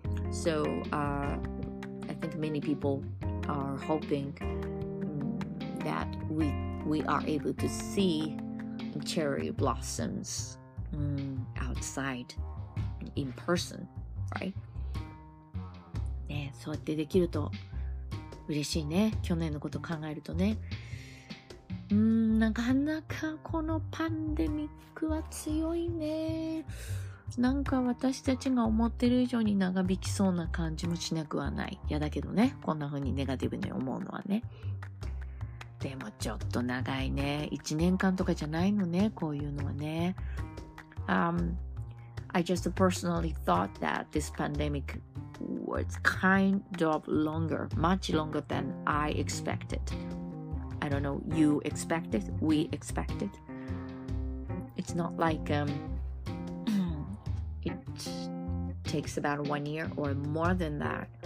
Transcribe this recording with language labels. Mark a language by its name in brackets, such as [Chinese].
[English] So, I think many people are hoping that we are able to see cherry blossoms outside in person, right? [Japanese] ね、そうやってできると嬉しいね。去年のこと考えるとね。なかなかこのパンデミックは強いね。なんか私たちが思ってる以上に長引きそうな感じもしなくはない。いやだけどね、こんな風にネガティブに思うのはね。でもちょっと長いね。 1年間とかじゃないのね、こういうのはね。 [English] I just personally thought that this pandemic was kind of longer, much longer than I expected. I don't know, you expected, we expected. It's not like it takes about 1 year or more than that.